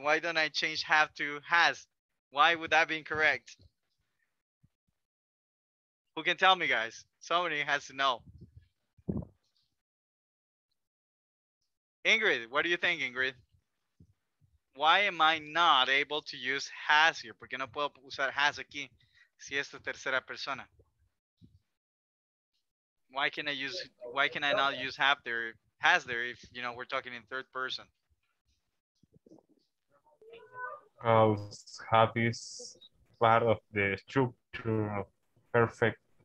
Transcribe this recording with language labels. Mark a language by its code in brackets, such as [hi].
[en] Why don't I change have to has? Why would that be incorrect? Who can tell me, guys? Somebody has to know. Ingrid, what do you think, Ingrid? Why am I not able to use has here? [es] ¿Por qué no puedo usar has aquí si es la tercera persona? [en] Why can I not use have there, has there, if you know we're talking in third person? Have is part of the structure of perfect,